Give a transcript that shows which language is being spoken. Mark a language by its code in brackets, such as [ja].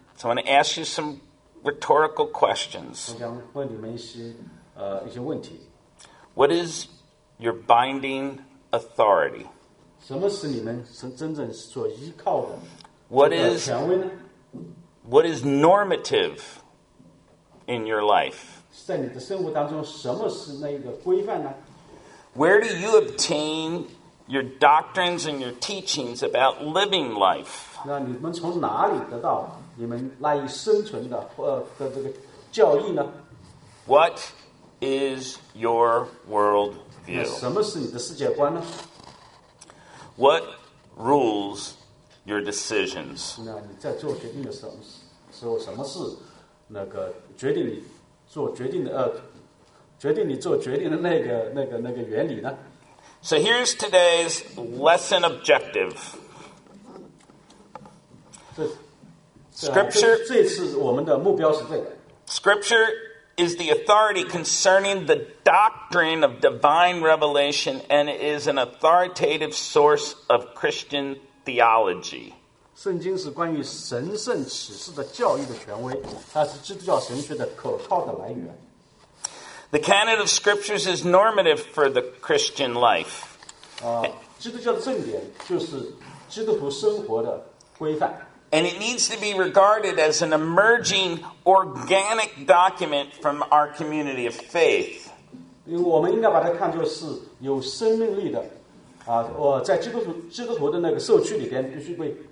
[en] So I'm going to ask you some rhetorical questions. [zh] 我想问你们一些问题。 [en] What is your binding authority? [zh] 什么是你们真正所依靠的权威呢? [en] What is normative in your life? [zh] 在你的生活当中，什么是那个规范呢？ [en] Where do you obtain your doctrines and your teachings about living life? [zh] 那你们从哪里得到你们赖以生存的的这个教义呢？ [en] What is your world view? [zh] 什么是你的世界观呢？ [en] What rules your decisions? [zh] 那你在做决定的时候。 So, 什么是那个决定你做决定的决定你做决定的那个原理呢？ [en] So here's today's lesson objective. Scripture. [zh] 这次我们的目标是这个。 [en] Scripture is the authority concerning the doctrine of divine revelation, and it is an authoritative source of Christian theology. [zh] 圣经是关于神圣启示的教义的权威，它是基督教神学的可靠的来源。 [en] The canon of scriptures is normative for the Christian life. [zh] 基督教的正典就是基督徒生活的规范。 [en] And it needs to be regarded as an emerging organic document from our community of faith. [zh] 因为我们应该把它看作是有生命力的，我在基督徒的那个社区里边必须被。